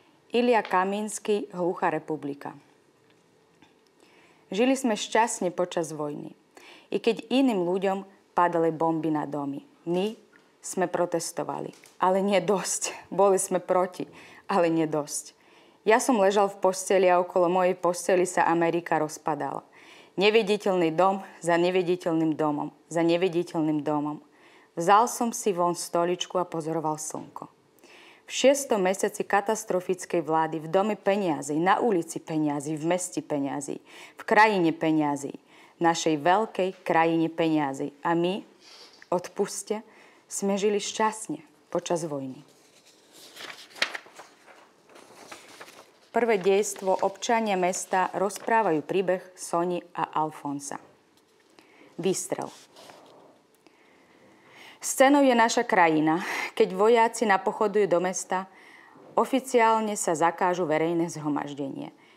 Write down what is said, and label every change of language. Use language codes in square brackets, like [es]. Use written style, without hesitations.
[rue] Ілія Камінський, Глуха Република. Жили сме щасні почас війни. І кед іним людям падали бомби на домі. Ми сме протестували. Але не дость. Були сме проти, але не дость. Я сом лежав в постелі, а около моєї постелі са Америка розпадала. Невидительный дом за невидительным домом, за невидительным домом. Взял сам си вон столичку, а позоровал сонко. В 6 месяце катастрофической влады в доме пенязей, на улице пенязей, в месте пенязей, в краине пенязей, нашей великой краине пенязей. А мы, отпусте, сме жили счастне почас войны. [sk] Prvé dejstvo občania mesta rozprávajú príbeh Soni a Alfonsa. Výstrel. Scénou je naša krajina, keď vojaci napochodujú do mesta, oficiálne sa zakážu verejné zhromaždenie.